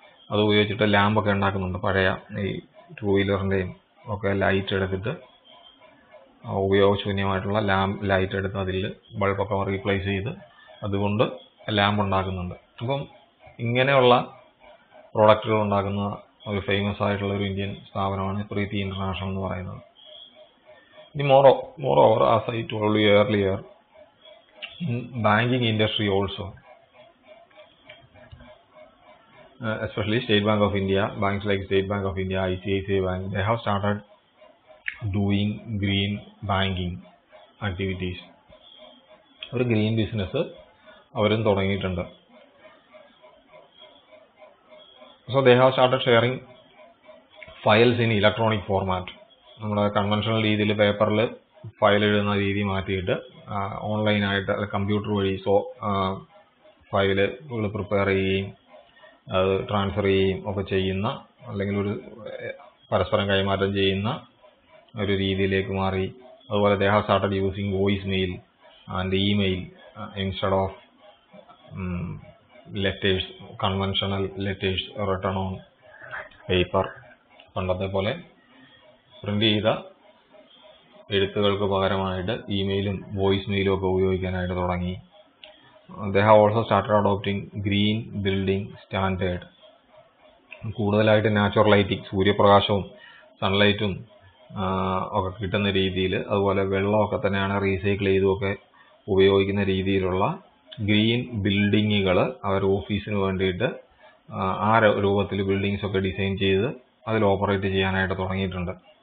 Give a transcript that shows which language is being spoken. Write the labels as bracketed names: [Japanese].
[Malayalam] അത് ഉപയോഗിച്ചിട്ട് ലാമ്പൊക്കെ ഉണ്ടാക്കുന്നുണ്ട്, പഴയ ഈ ടു വീലറിൻ്റെയും ഒക്കെ ലൈറ്റ് എടുത്തിട്ട് ഉപയോഗശൂന്യമായിട്ടുള്ള ലാമ്പ് ലൈറ്റ് എടുത്ത് അതിൽ ബൾബൊക്കെ റീപ്ലേസ് ചെയ്ത് അതുകൊണ്ട് ലാമ്പ് ഉണ്ടാക്കുന്നുണ്ട്. അപ്പം ഇങ്ങനെയുള്ള പ്രോഡക്റ്റുകൾ ഉണ്ടാക്കുന്ന ഒരു ഫേമസ് ആയിട്ടുള്ള ഒരു ഇന്ത്യൻ സ്ഥാപനമാണ് പ്രീതി ഇന്റർനാഷണൽ എന്ന് പറയുന്നത്. [English] ഇനി moreover as I said told earlier banking industry also especially State Bank of India, banks like State Bank of India, ICICI Bank, they have started doing green banking activities. [Malayalam] ഒരു green business അവരും തുടങ്ങിയിട്ടുണ്ട്. [English] So they have started sharing files in electronic format. [Malayalam] നമ്മുടെ conventional രീതിയിൽ പേപ്പറിൽ file എഴുതുന്ന രീതി മാറ്റിയിട്ട് ഓൺലൈനായിട്ട് കമ്പ്യൂട്ടർ വഴി സോ ഫയല് പ്രിപ്പയർ ചെയ്യുകയും അത് ട്രാൻസ്ഫർ ചെയ്യുകയും ഒക്കെ ചെയ്യുന്ന, അല്ലെങ്കിൽ ഒരു പരസ്പരം കൈമാറ്റം ചെയ്യുന്ന ഒരു രീതിയിലേക്ക് മാറി. [English] അതുപോലെ they have started using voice mail and email instead of letters, conventional letters written on paper. [Malayalam] പണ്ടത്തെ പോലെ പ്രിൻ്റ് ചെയ്ത എഴുത്തുകൾക്ക് പകരമായിട്ട് ഇമെയിലും വോയിസ് മെയിലും ഒക്കെ ഉപയോഗിക്കാനായിട്ട് തുടങ്ങി. [English] They have also started adopting green building standard. [Malayalam] കൂടുതലായിട്ട് നാച്ചുറൽ ലൈറ്റിംഗ്, സൂര്യപ്രകാശവും സൺലൈറ്റും ഒക്കെ കിട്ടുന്ന രീതിയിൽ, അതുപോലെ വെള്ളമൊക്കെ തന്നെയാണ് റീസൈക്കിൾ ചെയ്തുമൊക്കെ ഉപയോഗിക്കുന്ന രീതിയിലുള്ള ഗ്രീൻ ബിൽഡിങ്ങുകൾ അവർ ഓഫീസിന് വേണ്ടിയിട്ട് ആ രൂപത്തിൽ ബിൽഡിങ്സൊക്കെ ഡിസൈൻ ചെയ്ത് അതിൽ ഓപ്പറേറ്റ് ചെയ്യാനായിട്ട് തുടങ്ങിയിട്ടുണ്ട്.